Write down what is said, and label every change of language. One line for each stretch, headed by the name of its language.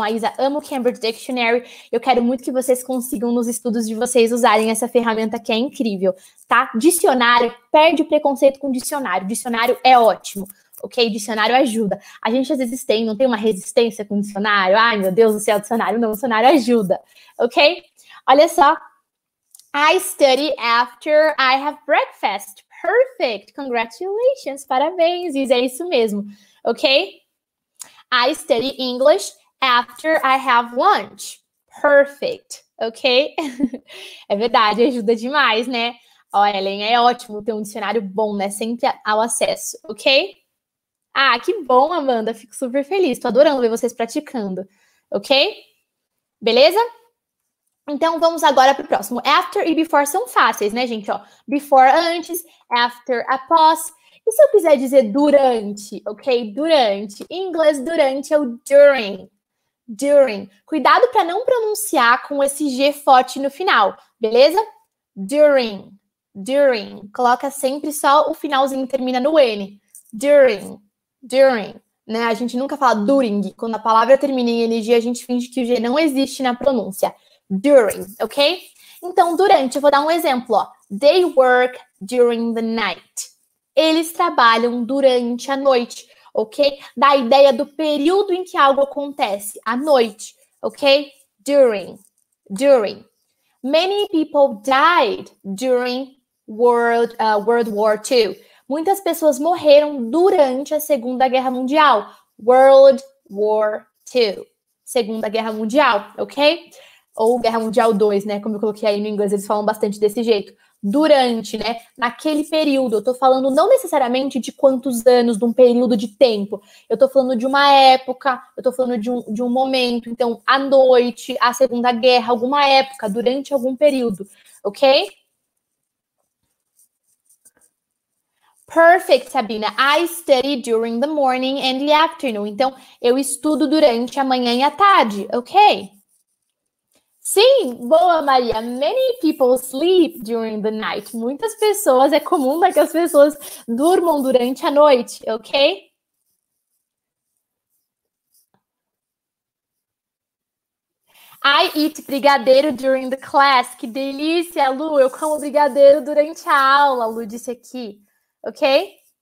Portuguese: A Isa ama o Cambridge Dictionary. Eu quero muito que vocês consigam, nos estudos de vocês, usarem essa ferramenta que é incrível, tá? Dicionário, perde o preconceito com dicionário. Dicionário é ótimo, ok? Dicionário ajuda. A gente, às vezes, tem, não tem uma resistência com dicionário. Ai, meu Deus do céu, dicionário. Não, dicionário ajuda, ok? Olha só.
English: I study after I have breakfast. Perfect. Congratulations.
Portuguese: Parabéns. Isso é isso mesmo. Ok?
English: I study English after I have lunch. Perfect. Ok?
Portuguese: É verdade. Ajuda demais, né? Ellen, é ótimo ter um dicionário bom, né? Sempre ao acesso, ok? Ah, que bom, Amanda. Fico super feliz. Tô adorando ver vocês praticando, ok? Beleza? Então vamos agora para o próximo. After e before são fáceis, né, gente? Ó, before antes, after após. E se eu quiser dizer durante, ok? Durante. Em inglês, durante é o during. During. Cuidado para não pronunciar com esse G forte no final, beleza? During. During. Coloca sempre só o finalzinho e termina no N. During. During. Né? A gente nunca fala during. Quando a palavra termina em NG, a gente finge que o G não existe na pronúncia. During, ok? Então, durante, eu vou dar um exemplo, ó.
English: They work during the night.
Portuguese: Eles trabalham durante a noite, ok? Dá a ideia do período em que algo acontece, à noite, ok? During, during.
English: Many people died during World War II.
Portuguese: Muitas pessoas morreram durante a Segunda Guerra Mundial. World War II. Segunda Guerra Mundial, ok? Ou Guerra Mundial 2, né? Como eu coloquei aí no inglês, eles falam bastante desse jeito. Durante, né? Naquele período. Eu tô falando não necessariamente de quantos anos, de um período de tempo. Eu tô falando de uma época, eu tô falando de um momento. Então, à noite, a Segunda Guerra, alguma época, durante algum período, ok? Perfect, Sabina.
English: I study during the morning and the afternoon.
Portuguese: Então, eu estudo durante a manhã e a tarde, ok? Sim, boa Maria.
English: Many people sleep during the night.
Portuguese: Muitas pessoas, é comum que as pessoas durmam durante a noite, ok?
English: I eat brigadeiro during the class.
Portuguese: Que delícia, Lu. Eu como brigadeiro durante a aula, Lu disse aqui, ok?